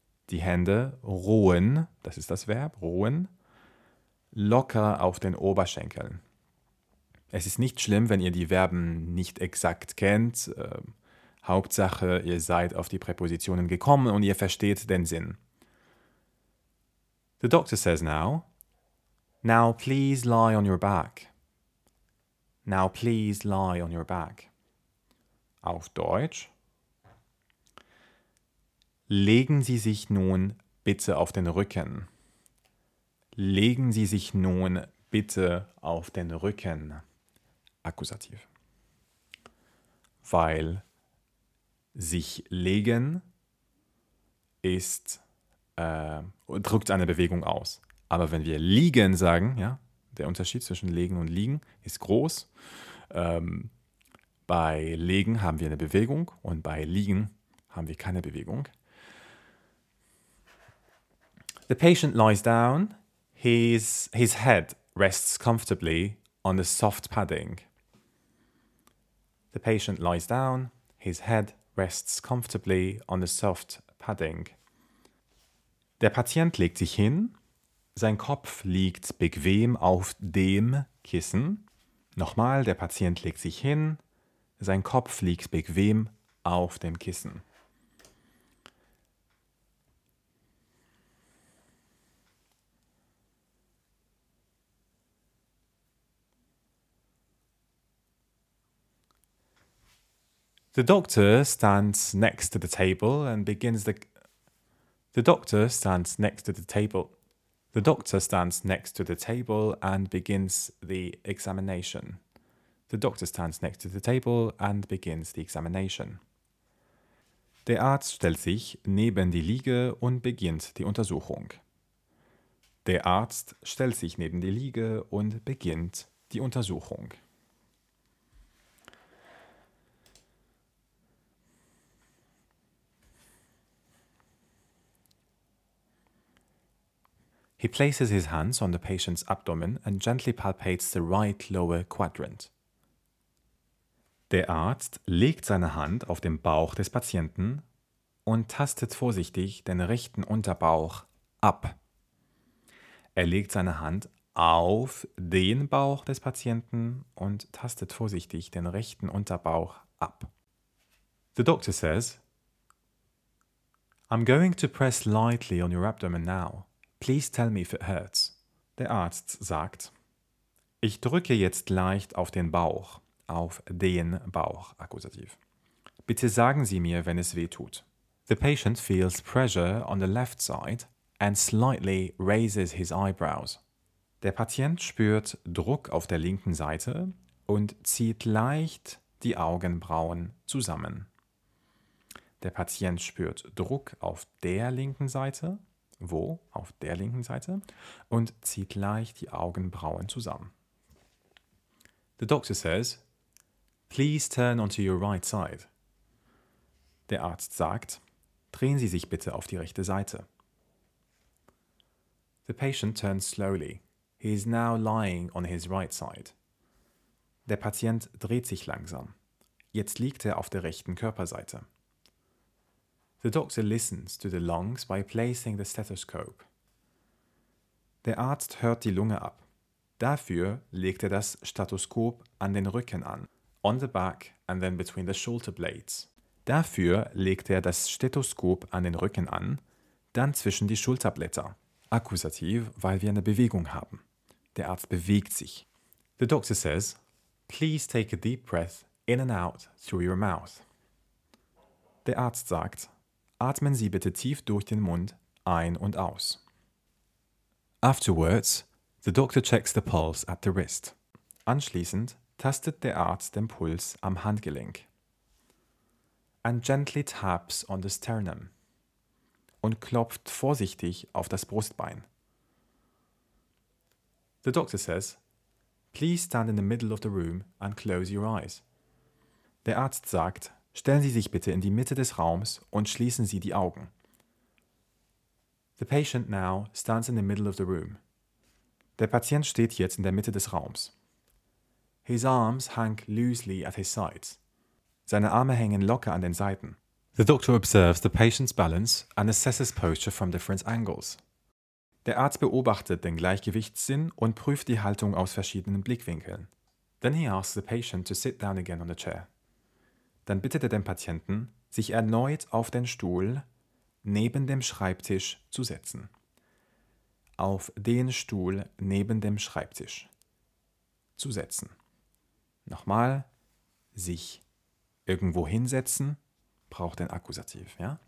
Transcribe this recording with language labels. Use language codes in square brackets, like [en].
[de] Die Hände ruhen, das ist das Verb, ruhen, locker auf den Oberschenkeln. Es ist nicht schlimm, wenn ihr die Verben nicht exakt kennt. Hauptsache, ihr seid auf die Präpositionen gekommen und ihr versteht den Sinn. [en] The doctor says now, now please lie on your back. Now please lie on your back. [de] Auf Deutsch. Legen Sie sich nun bitte auf den Rücken. Legen Sie sich nun bitte auf den Rücken. Akkusativ. Weil sich legen ist, drückt eine Bewegung aus. Aber wenn wir liegen sagen, ja, der Unterschied zwischen legen und liegen ist groß. Bei legen haben wir eine Bewegung und bei liegen haben wir keine Bewegung. [en] The patient lies down, his head rests comfortably on the soft padding. The patient lies down, his head rests comfortably on the soft padding. [de] Der Patient legt sich hin, sein Kopf liegt bequem auf dem Kissen. Nochmal, der Patient legt sich hin, sein Kopf liegt bequem auf dem Kissen. [en] The doctor stands next to the table and begins the... The doctor stands next to the table and begins the examination. The doctor stands next to the table and begins the examination. [de] Der Arzt stellt sich neben die Liege und beginnt die Untersuchung. Der Arzt stellt sich neben die Liege und beginnt die Untersuchung. [en] He places his hands on the patient's abdomen and gently palpates the right lower quadrant. [de] Der Arzt legt seine Hand auf den Bauch des Patienten und tastet vorsichtig den rechten Unterbauch ab. Er legt seine Hand auf den Bauch des Patienten und tastet vorsichtig den rechten Unterbauch ab. [en] The doctor says, I'm going to press lightly on your abdomen now. Please tell me if it hurts. [de] Der Arzt sagt, ich drücke jetzt leicht auf den Bauch, auf den Bauch, Akkusativ. Bitte sagen Sie mir, wenn es weh tut. [en] The patient feels pressure on the left side and slightly raises his eyebrows. [de] Der Patient spürt Druck auf der linken Seite und zieht leicht die Augenbrauen zusammen. Der Patient spürt Druck auf der linken Seite. Wo? Auf der linken Seite. Und zieht leicht die Augenbrauen zusammen. [en] The doctor says, please turn onto your right side. [de] Der Arzt sagt, drehen Sie sich bitte auf die rechte Seite. [en] The patient turns slowly. He is now lying on his right side. [de] Der Patient dreht sich langsam. Jetzt liegt er auf der rechten Körperseite. [en] The doctor listens to the lungs by placing the stethoscope. [de] Der Arzt hört die Lunge ab. Dafür legt er das Stethoskop an den Rücken an. [en] On the back and then between the shoulder blades. [de] Dafür legt er das Stethoskop an den Rücken an, dann zwischen die Schulterblätter. Akkusativ, weil wir eine Bewegung haben. Der Arzt bewegt sich. [en] The doctor says, please take a deep breath in and out through your mouth. [de] Der Arzt sagt, atmen Sie bitte tief durch den Mund ein und aus. [en] Afterwards, the doctor checks the pulse at the wrist. [de] Anschließend tastet der Arzt den Puls am Handgelenk. [en] And gently taps on the sternum. [de] Und klopft vorsichtig auf das Brustbein. [en] The doctor says, please stand in the middle of the room and close your eyes. [de] Der Arzt sagt, stellen Sie sich bitte in die Mitte des Raums und schließen Sie die Augen. [en] The patient now stands in the middle of the room. [de] Der Patient steht jetzt in der Mitte des Raums. [en] His arms hang loosely at his sides. [de] Seine Arme hängen locker an den Seiten. [en] The doctor observes the patient's balance and assesses posture from different angles. [de] Der Arzt beobachtet den Gleichgewichtssinn und prüft die Haltung aus verschiedenen Blickwinkeln. [en] Then he asks the patient to sit down again on the chair. [de] Dann bittet er den Patienten, sich erneut auf den Stuhl neben dem Schreibtisch zu setzen. Auf den Stuhl neben dem Schreibtisch zu setzen. Nochmal, sich irgendwo hinsetzen, braucht den Akkusativ, ja?